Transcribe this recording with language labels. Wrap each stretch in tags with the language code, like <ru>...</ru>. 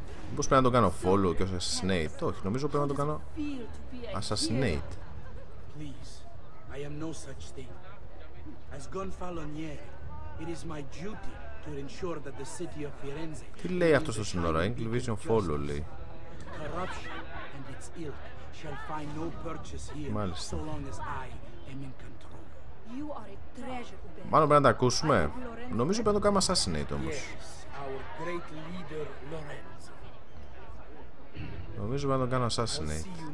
<el>Μήπως πρέπει να τον κάνω follow και assassinate? Όχι, νομίζω πρέπει να τον κάνω assassinate.</el> <en>Please, I am no such thing. As Gonfaloniere, it is my duty to ensure that the city of Firenze.</en> <el>Τι λέει αυτό στο σύνορα, Inglevision follow λέει.</el> <en>Corruption and its ilk shall find no purchase here so long as I am in control. You are a treasure.</en> <el>Μάλλον πρέπει να τα ακούσουμε. Νομίζω πρέπει να τον κάνουμε assassinate όμως.</el> <en>Our great leader Lorenzo.</en> <el>Νομίζω να τον κάνω assassinate.</el>